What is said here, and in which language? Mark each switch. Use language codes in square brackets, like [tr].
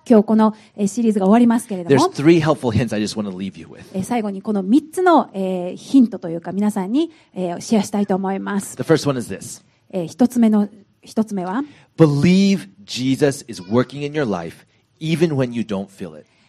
[ja] 今日このシリーズが終わりますけれども、 [en] There's three helpful hints I just want to leave you with. [ja] 最後にこの3つのヒントというか皆さんにシェアしたいと思います。 [en] The first one is this. [ja] 一つ目は、 [en] Believe Jesus is working in your life, even when you don't feel it.